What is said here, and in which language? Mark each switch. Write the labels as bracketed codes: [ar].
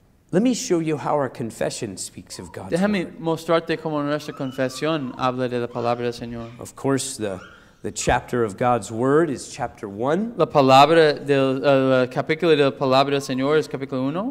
[en] Let me show you how our confession speaks of God's [es] déjame [en] word. [es] Mostrarte cómo nuestra confesión habla de la palabra del Señor. [en] Of course, the chapter of God's word is chapter 1. [es] La palabra del capítulo de la palabra del Señor es capítulo 1.